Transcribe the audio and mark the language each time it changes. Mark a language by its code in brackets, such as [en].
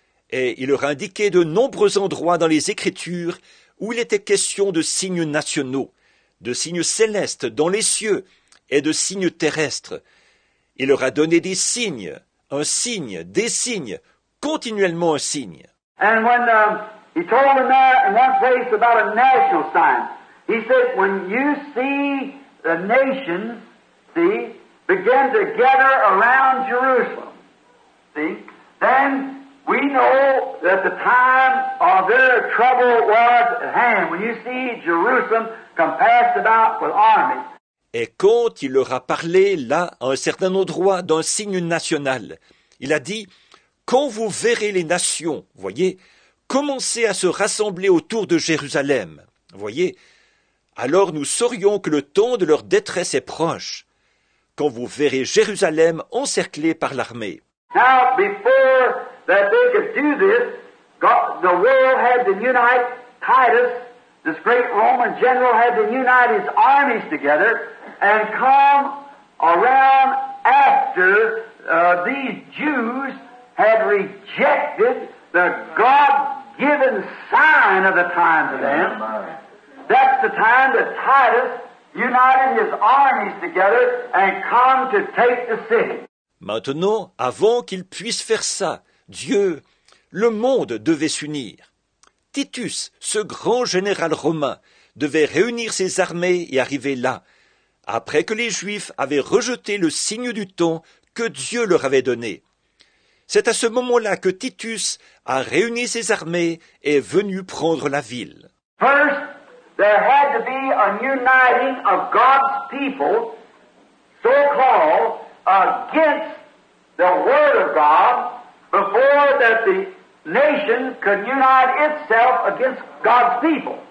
[fr] Et il leur indiquait de nombreux endroits dans les Écritures où il était question de signes nationaux, de signes célestes dans les cieux et de signes terrestres. Il leur a donné des signes, un signe, des signes, continuellement un signe. [en] And when he told them there in one place about a national sign, he said, when you see the nations, see, begin to gather around Jerusalem, see, then we know that the time of their trouble was at hand. When you see Jerusalem compassed about with armies. [fr] Et quand il leur a parlé, là, à un certain endroit, d'un signe national, Il a dit, quand vous verrez les nations, voyez, commencer à se rassembler autour de Jérusalem, voyez, alors nous saurions que le temps de leur détresse est proche, quand vous verrez Jérusalem encerclée par l'armée. [en] Now, before that they could do this, the world had to unite. Titus, this great Roman general, had to unite his armies together and come around after these Jews had rejected the God-given sign of the time to them. That's the time that Titus united his armies together and come to take the city. [fr] Maintenant, avant qu'ils puissent faire ça, Dieu, le monde devait s'unir. Titus, ce grand général romain, devait réunir ses armées et arriver là, après que les Juifs avaient rejeté le signe du temps que Dieu leur avait donné. C'est à ce moment-là que Titus a réuni ses armées et est venu prendre la ville. [en] First, there had to be a uniting of God's people, so called, against the word of God before that the nation could unite itself against God's people.